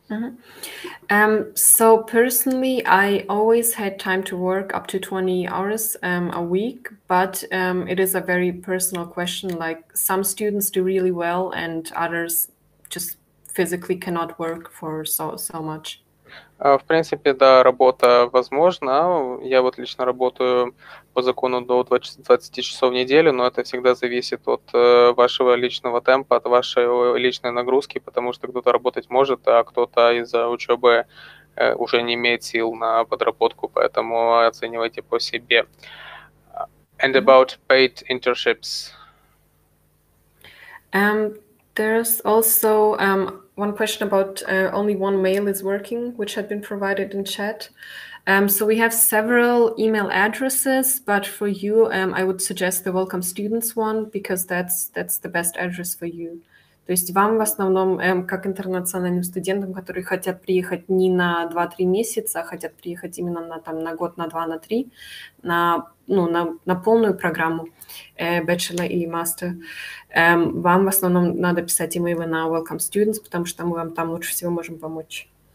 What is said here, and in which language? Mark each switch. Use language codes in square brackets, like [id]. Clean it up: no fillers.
[en] Mm-hmm. So personally, I always had time to work up to 20 hours a week, but it is a very personal question. Like, some students do really well and others just physically cannot work for so much. [ru] В принципе, да, работа возможна. Я вот лично работаю по закону до 20 часов в неделю, но это всегда зависит от вашего личного темпа, от вашей личной нагрузки, потому что кто-то работать может, а кто-то из-за учебы уже не имеет сил на подработку, поэтому оценивайте по себе. [en] And about paid internships? There's also one question about only one male is working, which had been provided in chat. So we have several email addresses, but for you, I would suggest the welcome students one, because that's the best address for you. [ru] То есть вам в основном, как интернациональным студентам, которые хотят приехать не на 2-3 месяца, а хотят приехать именно на, там, на год, на 2, на 3, на, ну, на полную программу bachelor или master, вам в основном надо писать имейлы на welcome students, потому что мы вам там лучше всего можем помочь.